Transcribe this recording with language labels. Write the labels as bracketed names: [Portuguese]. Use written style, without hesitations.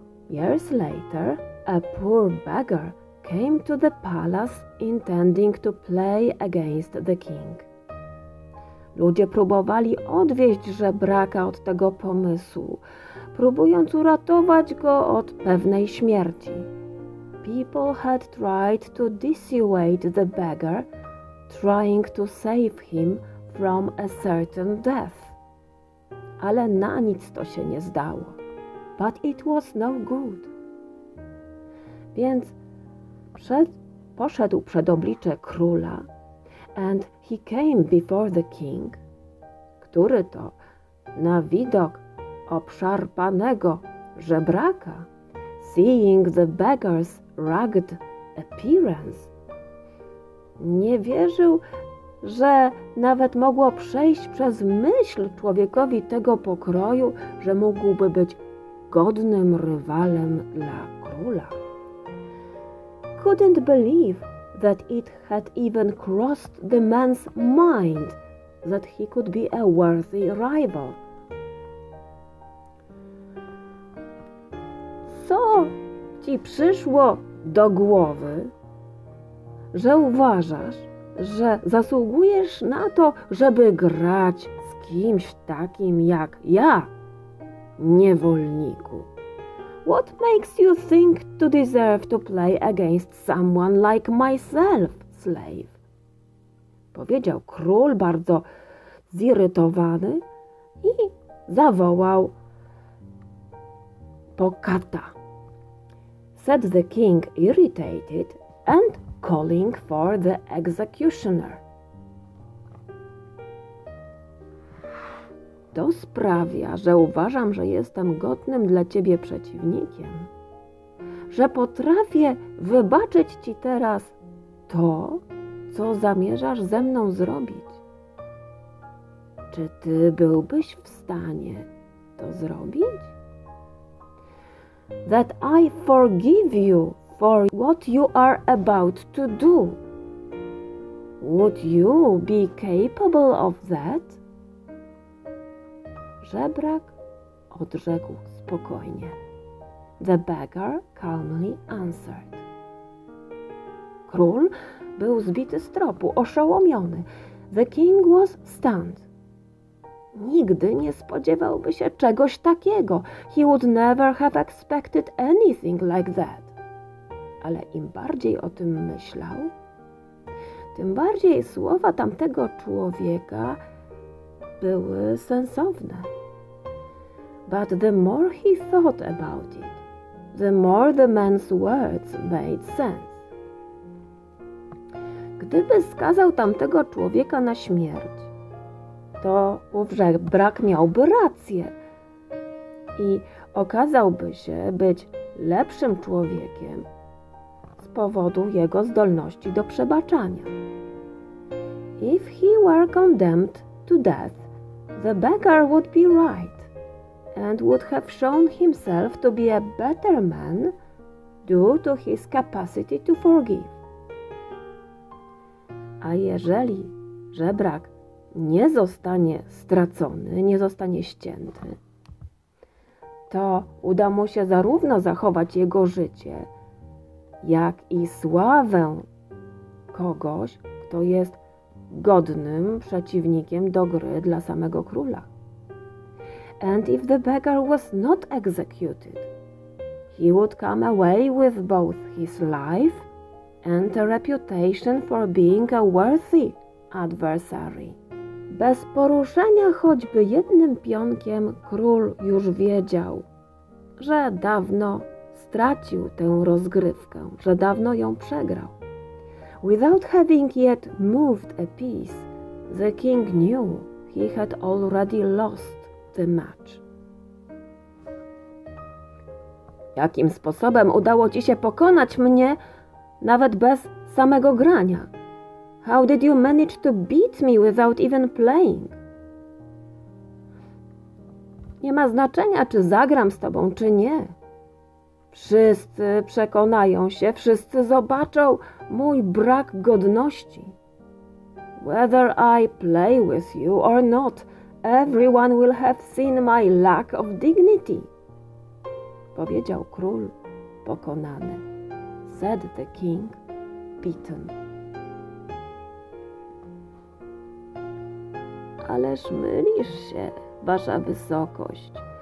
[English] Years later, a poor beggar came to the palace intending to play against the king. [Polish] Ludzie próbowali odwieść żebraka od tego pomysłu, próbując uratować go od pewnej śmierci. [English] people had tried to dissuade the beggar, trying to save him from a certain death. [Polish] Ale na nic to się nie zdało. [English] But it was no good. [Polish] Więc poszedł przed oblicze króla, [English] and he came before the king, [Polish] który to na widok obszarpanego żebraka, [English] seeing the beggar's rugged appearance, [Polish] nie wierzył, że nawet mogło przejść przez myśl człowiekowi tego pokroju, że mógłby być godnym rywalem dla króla. [English] Couldn't believe that it had even crossed the man's mind that he could be a worthy rival. [Polish] Co ci przyszło do głowy, że uważasz, że zasługujesz na to, żeby grać z kimś takim jak ja, niewolniku? [English] What makes you think to deserve to play against someone like myself, slave? [Polish] Powiedział król bardzo zirytowany i zawołał po kata. [English] Said the king, irritated and calling for the executioner. [Polish] To sprawia, że uważam, że jestem godnym dla ciebie przeciwnikiem, że potrafię wybaczyć ci teraz to, co zamierzasz ze mną zrobić. Czy ty byłbyś w stanie to zrobić? [English] That I forgive you for what you are about to do. Would you be capable of that? [Polish] Żebrak odrzekł spokojnie. [English] The beggar calmly answered. [Polish] Król był zbity z tropu, oszołomiony. [English] The king was stunned. [Polish] Nigdy nie spodziewałby się czegoś takiego. [English] He would never have expected anything like that. [Polish] Ale im bardziej o tym myślał, tym bardziej słowa tamtego człowieka były sensowne. [English] But the more he thought about it, the more the man's words made sense. [Polish] Gdyby skazał tamtego człowieka na śmierć, to ów żebrak miałby rację i okazałby się być lepszym człowiekiem z powodu jego zdolności do przebaczania. [English] If he were condemned to death, the beggar would be right and would have shown himself to be a better man due to his capacity to forgive. [Polish] A jeżeli żebrak nie zostanie stracony, nie zostanie ścięty, to uda mu się zarówno zachować jego życie, jak i sławę kogoś, kto jest godnym przeciwnikiem do gry dla samego króla. [English] And if the beggar was not executed, he would come away with both his life and a reputation for being a worthy adversary. [Polish] Bez poruszenia choćby jednym pionkiem król już wiedział, że dawno stracił tę rozgrywkę, że dawno ją przegrał. [English] Without having yet moved a piece, the king knew he had already lost the match. [Polish] Jakim sposobem udało ci się pokonać mnie, nawet bez samego grania? [English] How did you manage to beat me without even playing? [Polish] Nie ma znaczenia, czy zagram z tobą, czy nie. Wszyscy przekonają się, wszyscy zobaczą mój brak godności. [English] Whether I play with you or not, everyone will have seen my lack of dignity. [Polish] Powiedział król pokonany. [English] Said the king beaten. [Polish] Ależ mylisz się, wasza wysokość.